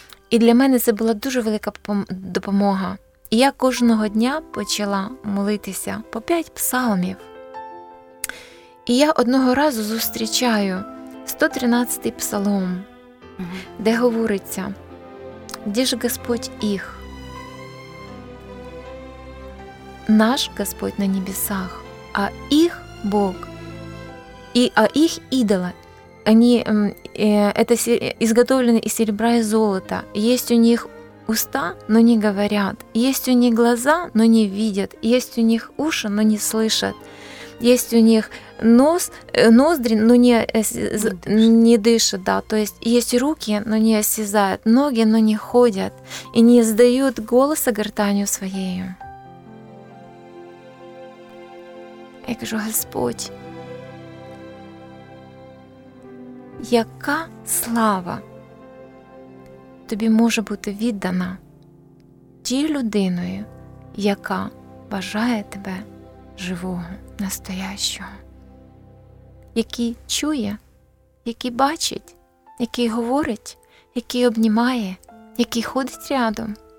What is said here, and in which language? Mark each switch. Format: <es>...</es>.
<uk>І для мене це була дуже велика допомога. І я кожного дня почала молитися по 5 псалмів. І я одного разу зустрічаю 113-й псалом, де говориться: «Де ж Господь їх? Наш Господь на небесах, а їх Бог, і а їх ідоли, вони ізготовлені із серебра і золота, є у них уста,</uk> <ru>но не говорят, есть у них глаза, но не видят, есть у них уши, но не слышат, есть у них нос, ноздри, но не дышат, да, то есть руки, но не осязают, ноги, но не ходят, и не издают голоса гортанью своею».</ru> <uk>Я говорю: «Господь, яка слава тобі може бути віддана тією людиною, яка бажає тебе живого, настоящого, який чує, який бачить, який говорить, який обнімає, який ходить рядом.</uk>